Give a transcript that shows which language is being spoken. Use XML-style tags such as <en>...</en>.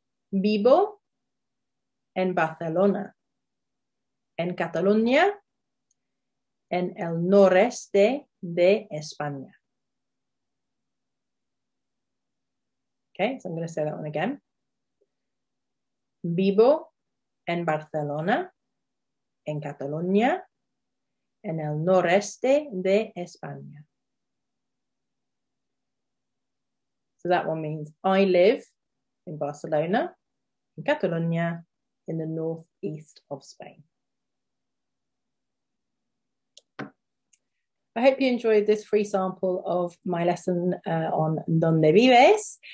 <es>Vivo en Barcelona, en Cataluña, en el noreste de España.</es> <en>Okay, so I'm going to say that one again.</en> <es>Vivo en Barcelona, en Cataluña, en el noreste de España.</es> <en>So that one means I live in Barcelona, in Catalonia, in the northeast of Spain. I hope you enjoyed this free sample of my lesson on</en> <es>Dónde vives.</es>